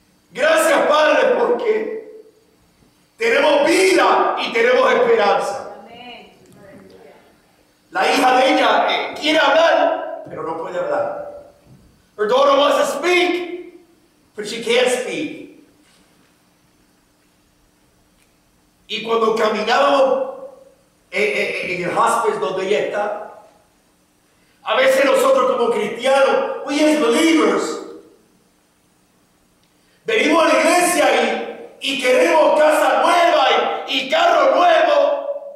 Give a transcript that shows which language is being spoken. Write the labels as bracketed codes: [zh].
[es] Gracias, Padre, porque tenemos vida y tenemos esperanza. La hija de ella quiere hablar, pero no puede hablar. [en] Her daughter wants to speak, but she can't speak. [es] Y cuando caminamos en el hospice donde ella está, a veces nosotros como cristianos, [en] we as believers, [es] venimos a la iglesia y queremos casa nueva y carro nuevo.